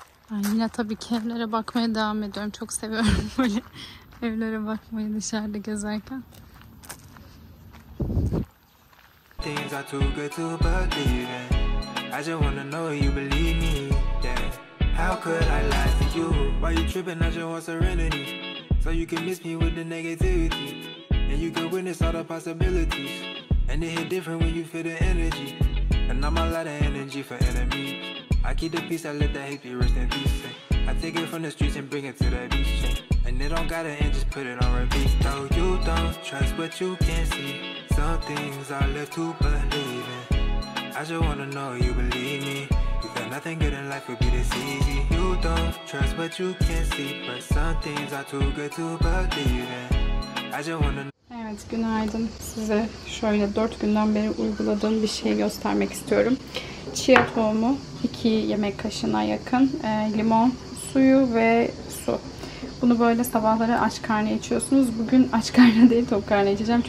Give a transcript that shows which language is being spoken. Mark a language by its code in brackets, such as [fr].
[tr] Ben yine tabii ki evlere bakmaya devam ediyorum. Çok seviyorum böyle evlere bakmayı dışarıda gezerken. [en] Things are too good to believe in. I just wanna know you believe me. How could I lie to you? Why you tripping? I just want serenity. So you can miss me with the negativity. And you can witness all the possibilities. And it hit different when you feel the energy. And I'm a lot of energy for enemies. I keep the peace, I let the hate be rest in peace. I take it from the streets and bring it to the beach. And it don't gotta end, just put it on repeat. Though you don't trust what you can't see. Some things are left to believe in. I just wanna know you believe me. Nothing good in life would be this easy. You don't trust what you can't see. But some things are too good to believe in. I just wanna know. [tr] Evet, günaydın. Size şöyle 4 günden beri uyguladığım bir şey göstermek istiyorum. Chia tohumu 2 yemek kaşığına yakın, limon suyu ve su. Bunu böyle sabahları aç karnı içiyorsunuz. Bugün aç karnı değil, tok karnı içeceğim.